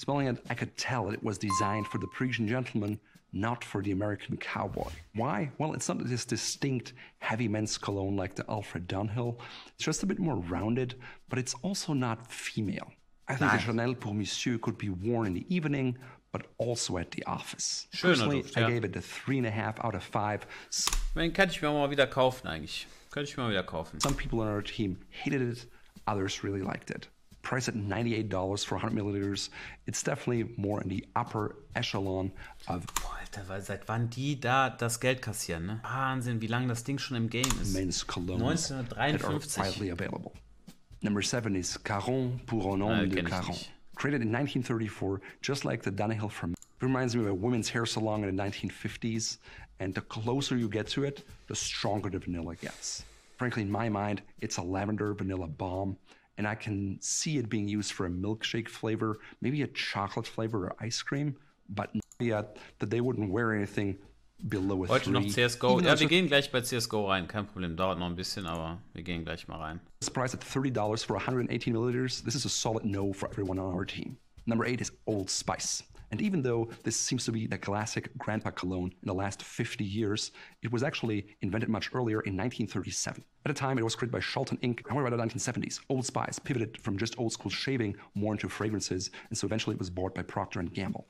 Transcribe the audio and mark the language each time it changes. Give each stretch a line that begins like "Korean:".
English: Smelling it, I could tell it was designed for the Parisian gentleman, not for the American cowboy. Why? Well, it's not this distinct heavy men's cologne like the Alfred Dunhill. It's just a bit more rounded, but it's also not female. I think nice. The Chanel pour Monsieur could be worn in the evening, but also at the office.
German: Schöner
English: personally,
German: Duft,
English: I
German: ja.
English: gave it a 3.5 out of 5.
German: Den könnte ich mir mal wieder kaufen eigentlich. Könnte ich mir mal wieder kaufen.
English: Some people on our team hated it, others really liked it. Price at $98 for 100 milliliters. It's definitely more in the upper echelon of.
German: Boah, Alter, weil seit wann die da das Geld kassieren, ne? Wahnsinn, wie lange das Ding schon im Game ist.
English: Men's cologne 1953. Widely available. Number 7 is Caron pour un homme de Caron. Created in 1934, just like the Dunhill from. It reminds me of a women's hair salon in the 1950s. And the closer you get to it, the stronger the vanilla gets. Frankly, in my mind, it's a lavender vanilla balm. And I can see it being used for a milkshake flavor, maybe a chocolate flavor or ice cream, but not yet, that they wouldn't wear anything below a 3.
German: Heute noch CSGO. Ja, wir gehen gleich bei CSGO rein. Kein Problem, dauert noch ein bisschen, aber wir gehen gleich mal rein.
English: This price at $30 for 118 milliliters. This is a solid no for everyone on our team. Number 8 is Old Spice. And even though this seems to be the classic grandpa cologne in the last 50 years, it was actually invented much earlier in 1937. At the time, it was created by Charlton Inc. I'm around the 1970s. Old Spice pivoted from just old school shaving more into fragrances, and so eventually it was bought by Procter & Gamble.